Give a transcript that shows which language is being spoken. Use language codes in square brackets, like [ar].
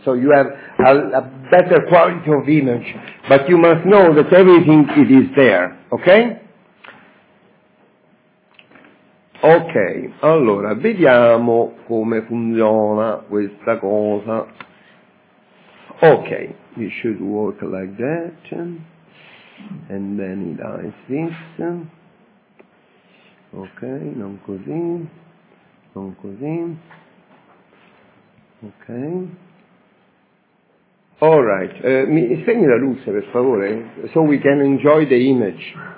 [en] So you have a better quality of image. But you must know that everything it is there. Okay? Okay. [it] Allora, vediamo come funziona questa cosa. [en] Okay. It should work like that. And then it does this. [it] Ok, non così, non così, ok, alright, mi spegni la luce per favore, [en] so we can enjoy the image.